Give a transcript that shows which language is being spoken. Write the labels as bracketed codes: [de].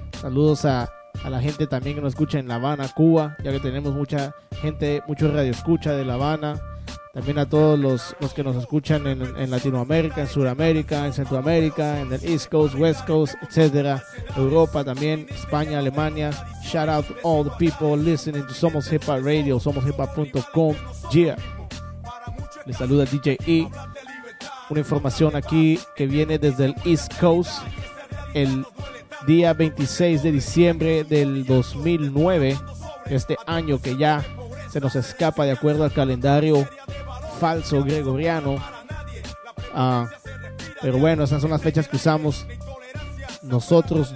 [es] Saludos a la gente también que nos escucha en La Habana, Cuba, ya que tenemos mucha gente, mucho radio escucha de La Habana. También a todos los que nos escuchan en Latinoamérica, en Sudamérica, en Centroamérica, en el [en] East Coast, West Coast, [es] etc. Europa también, España, Alemania. [en] Shout out to all the people listening to Somos Hip Hop Radio, SomosHipHop.com. [es] Yeah. Les saluda DJ E. Una información aquí que viene desde el East Coast. El día 26 de diciembre del 2009, este año que ya se nos escapa de acuerdo al calendario falso gregoriano, pero bueno, esas son las fechas que usamos nosotros.